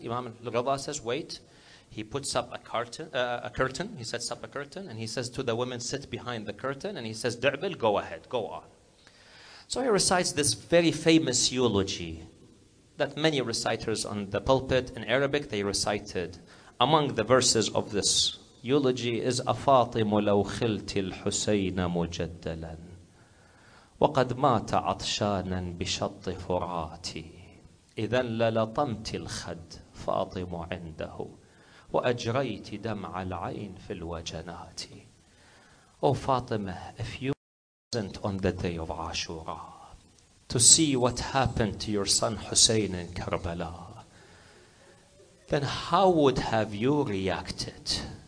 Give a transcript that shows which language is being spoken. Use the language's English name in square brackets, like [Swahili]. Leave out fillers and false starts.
[English] Imam Al-Ridha says, wait. He puts up a curtain. He sets up a curtain and he says to the women, sit behind the curtain. And he says, Di'bil, go ahead, go on. So he recites this very famous eulogy that many reciters on the pulpit in Arabic, they recited. Among the verses of this eulogy is [Arabic] أَفَاطِمُ لَوْ خِلْتِ الْحُسَيْنَ مُجَدَّلًا وَقَدْ مَاتَ عَطْشَانًا بِشَطِّ فُرَاتِ إِذَنْ لَلَطَمْتِ الْخَدْ فَاطِمُ عِنْدَهُ وَأَجْرَيْتِ دَمْعَ الْعَيْنِ فِي الْوَجَنَاتِ. [English] O Fatima, if you were present on the day of Ashura to see what happened to your son Hussein in Karbala, then how would have you reacted?